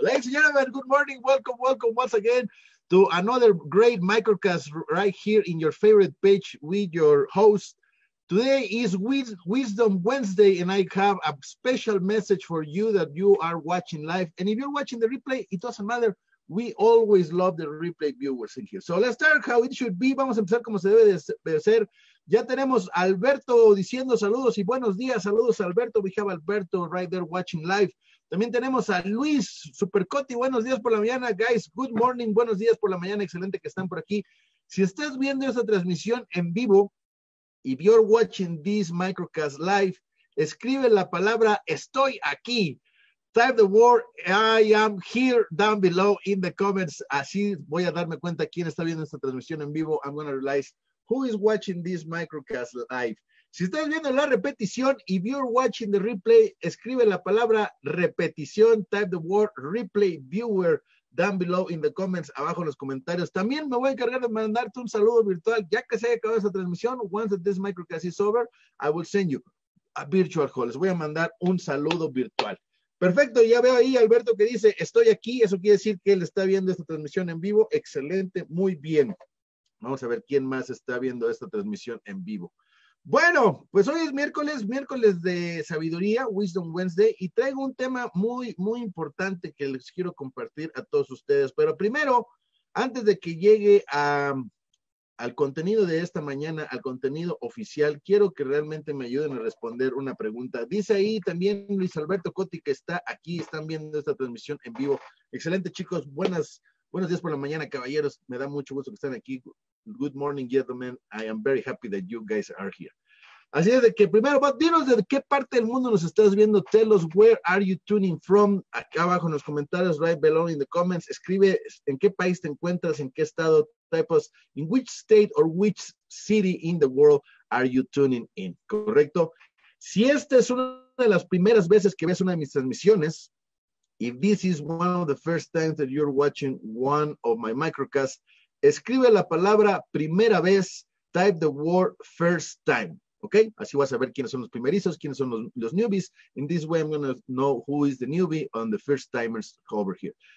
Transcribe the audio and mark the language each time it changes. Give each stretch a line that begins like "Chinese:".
English: Ladies and gentlemen, good morning, welcome, welcome once again to another great microcast right here in your favorite page with your host. Today is Wisdom Wednesday, and I have a special message for you that you are watching live. And if you're watching the replay, it doesn't matter. We always love the replay viewers in here. So let's start how it should be.
Spanish: Vamos a empezar como se debe de ser. Ya tenemos a Alberto diciendo saludos y buenos días. Saludos, Alberto.
English: We have Alberto right there watching live.
Spanish: También tenemos a Luis Supercotti. Buenos días por la mañana, guys.
English: Good morning.
Spanish: Buenos días por la mañana. Excelente que están por aquí. Si estás viendo esta transmisión en vivo,
English: if you're watching this microcast live,
Spanish: escribe la palabra estoy aquí.
English: Type the word I am here down below in the comments.
Spanish: Así voy a darme cuenta quién está viendo esta transmisión en vivo.
English: I'm going to realize who is watching this microcast live.
Spanish: Si estás viendo la repetición,
English: if you're watching the replay,
Spanish: escribe la palabra repetición.
English: Type the word replay viewer down below in the comments,
Spanish: abajo en los comentarios. También me voy a encargar de mandarte un saludo virtual. Ya que se haya acabado esta transmisión,
English: once this microcast is over, I will send you a virtual call.
Spanish: Les voy a mandar un saludo virtual. Perfecto, ya veo ahí Alberto que dice, estoy aquí. Eso quiere decir que él está viendo esta transmisión en vivo. Excelente, muy bien. Vamos a ver quién más está viendo esta transmisión en vivo. Bueno, pues hoy es miércoles, miércoles de sabiduría, Wisdom Wednesday, y traigo un tema muy, muy importante que les quiero compartir a todos ustedes. Pero primero, antes de que llegue al contenido de esta mañana, al contenido oficial, quiero que realmente me ayuden a responder una pregunta. Dice ahí también Luis Alberto Cotti que está aquí, están viendo esta transmisión en vivo. Excelente, chicos, buenos días por la mañana, caballeros. Me da mucho gusto que estén aquí.
English: Good morning, gentlemen. I am very happy that you guys are here.
Spanish: Así es de que primero, dinos de qué parte del mundo nos estás viendo.
English: Tell us where are you tuning from.
Spanish: Acá abajo en los comentarios,
English: right below in the comments.
Spanish: Escribe en qué país te encuentras, en qué estado.
English: Type us in which state or which city in the world are you tuning in.
Spanish: ¿Correcto? Si esta es una de las primeras veces que ves una de mis transmisiones,
English: if this is one of the first times that you're watching one of my microcasts,
Spanish: escribe la palabra primera vez,
English: type the word first time,
Spanish: ¿ok? Así vas a ver quiénes son los primerizos, quiénes son los newbies.
English: In this way, I'm going to know who is the newbie on the first timers over here.